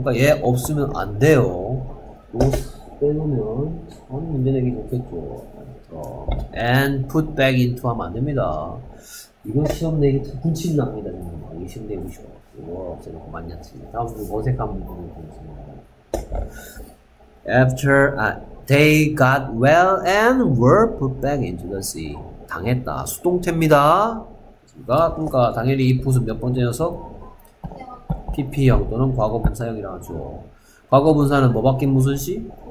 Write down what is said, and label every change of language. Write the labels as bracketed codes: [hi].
[ko] 그러니까 얘 없으면 안 돼요. 빼놓으면 아무 문제 내기 좋겠죠. [en] And put back into [ko] 하면 안 됩니다. 이거 시험 내기 군침 납니다. 이거 시험 내기 쉬워. 이거 없으면 고만냐지. 다음 어색한 부분을 보겠습니다. [en] After they got well and were put back into the sea. [ko] 당했다. 수동태입니다. 그러니까 당연히 이 put은 몇 번째 녀석? PP형 또는 과거분사형이라 하죠. 과거분사는 뭐 바뀐 무슨 시?